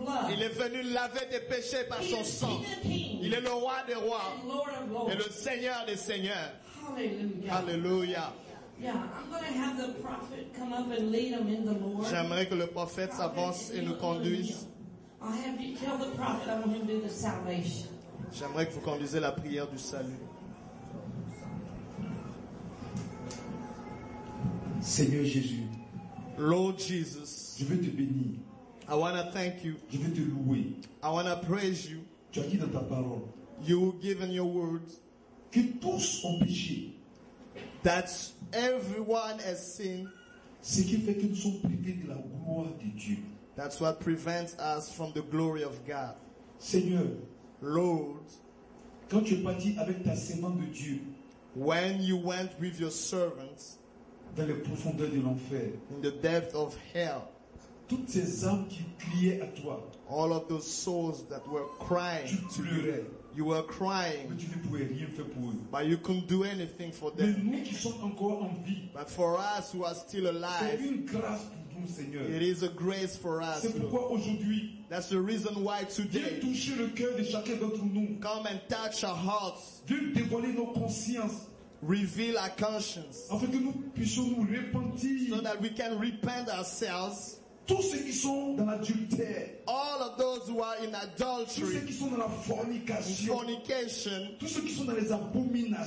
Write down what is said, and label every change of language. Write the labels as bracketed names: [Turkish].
[French] Il est venu laver tes péchés par son sang. Il est le roi des rois et le Seigneur des seigneurs. Alléluia. [English] Yeah, I'm gonna have the prophet come up and lead them in the Lord. [French] J'aimerais que le prophète s'avance et nous conduise. [English] I'll have you tell the prophet I'm gonna do the salvation. [French] J'aimerais que vous conduisez la prière du salut. Seigneur Jésus, [English] Lord Jesus, [French] je veux te bénir. [English] I wanna thank you. [French] Je veux te louer. [English] I wanna praise you. [French] Tu as dit dans ta parole. [English] You have given your words. [French] Que tous ont péché. [English] That everyone has sinned. [French] Ce qui fait que nous sommes privés de la gloire de Dieu. [English] That's what prevents us from the glory of God. [French] Seigneur, [English] Lord, [French] quand tu es parti avec ta servante de Dieu, [English] when you went with your servant, [French] dans les profondeurs de l'enfer, [English] in the depth of hell, [French] toutes ces âmes qui criaient à toi, [English] all of those souls that were crying, [French] tu pleurais. [English] You were crying. [French] Mais tu ne pouvais rien faire pour eux. [English] But you couldn't do anything for them. [French] Mais nous qui sommes encore en vie. [English] But for us who are still alive. [French] C'est une grâce pour nous, Seigneur. [English] It is a grace for us. [French] C'est pourquoi aujourd'hui. [English] That's the reason why today. [French] Viens toucher le cœur de chacun d'entre nous. [English] Come and touch our hearts. [French] Viens dévoiler nos consciences. [English] Reveal our conscience. [French] Afin que nous puissions nous repentir. [English] So that we can repent ourselves. [French] Tous ceux qui sont dans l'adultère. [English] All of those who are in adultery. [French] Tous ceux qui sont dans la fornication. [English] Fornication. [French] Tous ceux qui sont dans les abominations.